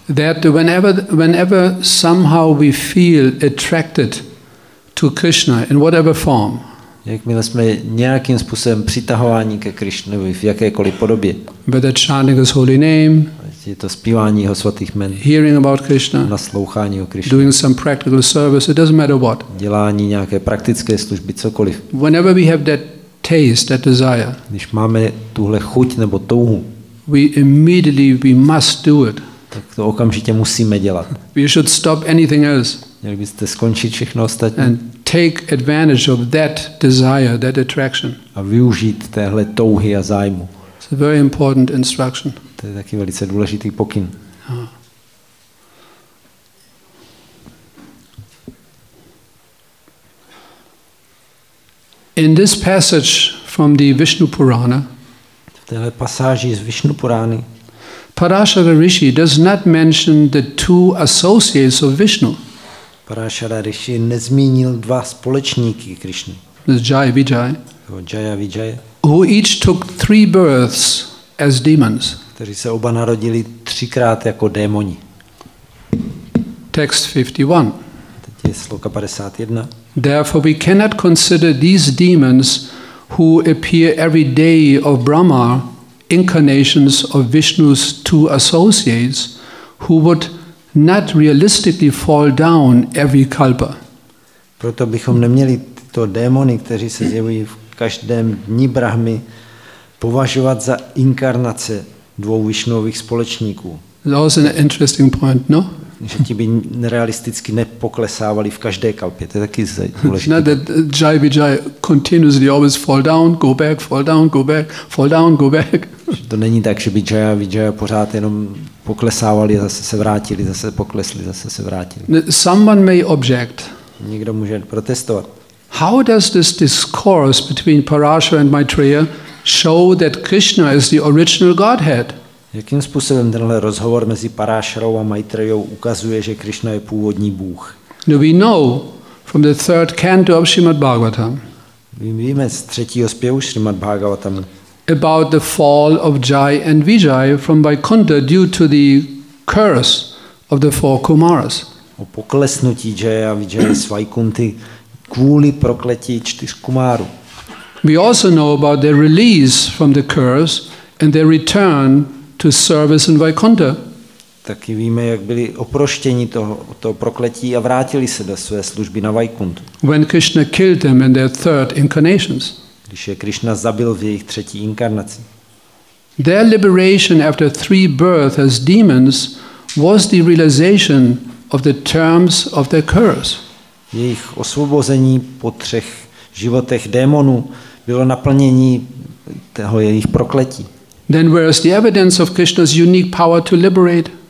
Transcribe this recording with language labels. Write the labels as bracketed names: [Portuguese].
[English] That whenever somehow we feel attracted to Krishna in whatever form. [Czech] Jakmile jsme nějakým způsobem přitahováni ke Krišnovi v jakékoliv podobě. [English] Whether chanting his holy name, [Czech] je to zpívání jeho svatých jmen. [English] Hearing about Krishna, [Czech] naslouchání o Krišně. [English] Doing some practical service, it doesn't matter what. [Czech] Dělání nějaké praktické služby, cokoliv. [English] Whenever we have that taste, that desire, [Czech] když máme tuhle chuť nebo touhu, [English] we immediately we must do it. [Czech] Tak to okamžitě musíme dělat. [English] We should stop anything else. [Czech] Měli byste skončit všechno ostatní. [English] And take advantage of that desire, that attraction. [Czech] A využít téhle touhy a zájmu. [English] It's a very important instruction. [Czech] To je taky velice důležitý pokyn. [English] In this passage from the Vishnu Purana, [Czech] v téhle pasáži z Vishnu Purány, [English] Parashara Rishi does not mention the two associates of Vishnu. [Czech] Parashara Rishi nezmínil dva společníky Krišny. [English] Jaya Vijaya. [Czech] Jaya Vijaya. [English] Who each took three births as demons. [Czech] Kteří se oba narodili třikrát jako démoni. [English] Text 51. [Czech] Teď je sloka 51. [English] Therefore we cannot consider these demons who appear every day of Brahma incarnations of Vishnu's two associates who would not realistically fall down every kalpa. [Czech] Proto bychom neměli tyto démony, kteří se zjevují v každém dní Brahmy, považovat za inkarnace dvou Vishnových společníků. [English] That was an interesting point, no? [Czech] Že ti by nerealisticky nepoklesávali v každé kalpě. To je taky důležité. [English] Not that Jai Vijay continuously always fall down, go back, fall down, go back, fall down, go back. [Czech] To není tak, že by Jai Vijay pořád jenom poklesávali, zase se vrátili, zase poklesli, zase se vrátili. [English] Someone may object. [Czech] Někdo může protestovat. [English] How does this discourse between Parashara and Maitreya show that Krishna is the original Godhead? [Czech] Jakým způsobem tenhle rozhovor mezi Parashrou a Maitrejou ukazuje, že Krišna je původní Bůh? [English] No, we know from the third canto of Srimad Bhagavatam. [Czech] Víme z třetího zpěvu Srimad Bhagavatam. [English] About the fall of Jai and Vijay from Vaikuntha due to the curse of the four Kumaras. [Czech] O poklesnutí Jai a Vijay z Vaikunty kvůli prokletí čtyř Kumáru. [English] We also know about their release from the curse and their return to service in Vaikuntha. [Czech] Taky víme, jak byli oproštěni toho prokletí a vrátili se do své služby na Vaikuntu. [English] When Krishna killed them in their third incarnations. [Czech] Když je Krishna zabil v jejich třetí inkarnaci. [English] Their liberation after three births as demons was the realization of the terms of their curse. [Czech] Jejich osvobození po třech životech démonů bylo naplnění toho jejich prokletí. [English] Then where is the evidence of Krishna's unique power to liberate?